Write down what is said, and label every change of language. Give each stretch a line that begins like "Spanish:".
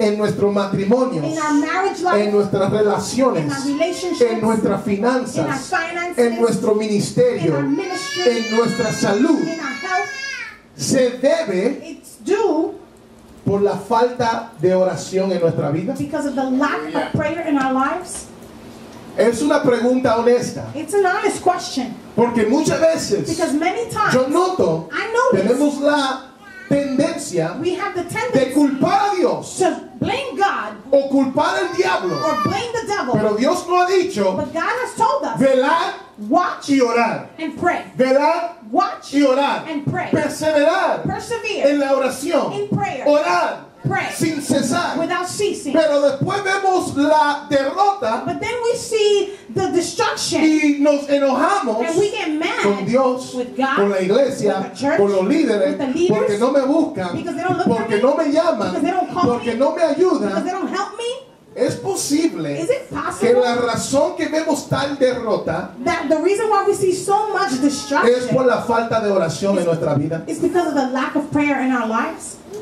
Spanish: en nuestro matrimonio,
English: in our marriage life,
Spanish: en nuestras relaciones,
English: in our relationships,
Spanish: en nuestras finanzas,
English: in our finances,
Spanish: en nuestro ministerio,
English: in our ministry,
Spanish: en nuestra salud,
English: in our health,
Spanish: se debe,
English: it's due,
Spanish: por la falta de oración en nuestra vida?
English: Because of the lack of prayer in our lives?
Spanish: Es una pregunta honesta.
English: It's an honest question.
Spanish: Porque muchas veces,
English: because many times,
Spanish: yo noto,
English: I notice,
Spanish: tenemos la tendencia,
English: we have the tendency,
Spanish: de culpar a Dios,
English: to blame God,
Spanish: o culpar al diablo,
English: or blame the devil.
Spanish: Pero Dios no ha dicho,
English: but God has told us,
Spanish: velar,
English: watch,
Spanish: y orar,
English: and pray.
Spanish: Velar,
English: watch,
Spanish: y orar,
English: and pray.
Spanish: Perseverar,
English: persevere,
Spanish: en la oración,
English: in prayer.
Spanish: Orar,
English: pray,
Spanish: sin cesar,
English: without ceasing.
Spanish: Pero después vemos la derrota,
English: but then we see the destruction,
Spanish: y nos enojamos,
English: and we get mad,
Spanish: con Dios,
English: with God,
Spanish: con la iglesia,
English: with the church,
Spanish: con los líderes,
English: with the leaders,
Spanish: porque no me buscan,
English: because they don't look,
Spanish: porque me, no me llaman,
English: because they don't call,
Spanish: porque no me ayudan,
English: because they don't help me.
Spanish: ¿Es posible,
English: is it possible,
Spanish: que la razón que vemos tal derrota,
English: that the reason why we see so much destruction,
Spanish: es por la falta de oración, is, en nuestra vida,
English: it's because of the lack of prayer in our lives?